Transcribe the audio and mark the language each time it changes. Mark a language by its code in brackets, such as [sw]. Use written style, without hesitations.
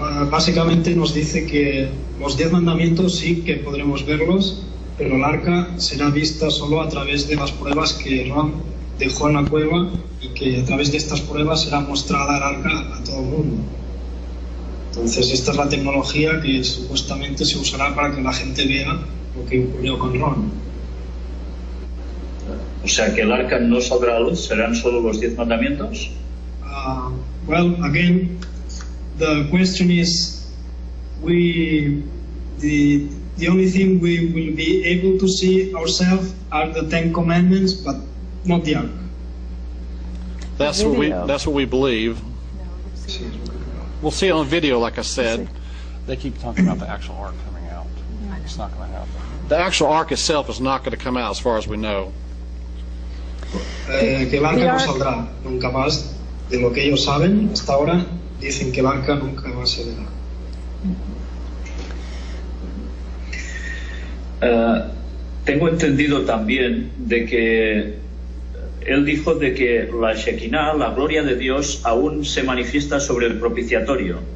[es] Básicamente nos dice que los diez mandamientos sí que podremos verlos, pero el arca será vista solo a través de las pruebas que Ron dejó en la cueva, y que a través de estas pruebas será mostrada el arca a todo el mundo. Entonces, esta es la tecnología que supuestamente se usará para que la gente vea lo que ocurrió con Ron. O sea, que el arca no saldrá a luz, serán solo los 10 mandamientos? [en] Well, again, the question is, the only thing we will be able to see ourselves are the Ten Commandments, but not the arca. That's what we believe. We'll see it on video, like I said. They keep talking about the actual ark coming out. It's not going to happen. The actual ark itself is not going to come out, as far as we know. [es] Que el arca no saldrá nunca más. De lo que ellos saben hasta ahora, dicen que el arca nunca más se verá. Tengo entendido también de que él dijo de que la Shekinah, la gloria de Dios, aún se manifiesta sobre el propiciatorio.